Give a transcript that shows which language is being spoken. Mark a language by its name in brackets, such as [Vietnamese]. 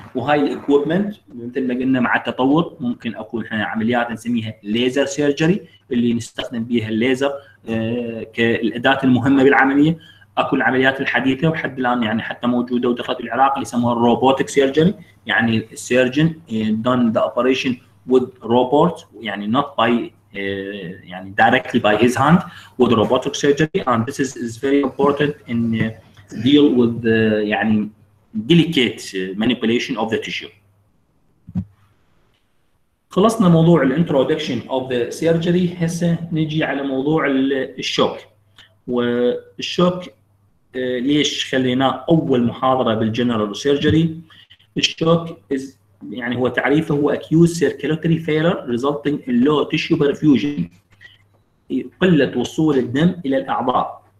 [Arabic] وهاي الإكويبمنت مثل ما قلنا مع التطور ممكن أقول إحنا عمليات نسميها ليزر سيرجري، اللي نستخدم بها الليزر كالأداة المهمة بالعملية. أكو العمليات الحديثة وحد الآن يعني حتى موجودة ودخلت العراق اللي يسموها روبوتك سيرجري، يعني السيرجن [English] done the operation with robot، [Arabic] يعني [English] not by [Arabic] يعني [English] directly by his hand with robotic surgery. And this is very important in deal with the [Arabic] يعني [English] delicate manipulation of the tissue. [Arabic] خلصنا موضوع ال [English] introduction of the surgery. [Arabic] هسه نجي على موضوع الشوك. والشوك ليش خليناه أول محاضرة بالجنرال سيرجري؟ الشوك is يعني هو تعريفه هو [English] acute circulatory failure resulting in low tissue perfusion، [Arabic] قلة وصول الدم إلى الأعضاء.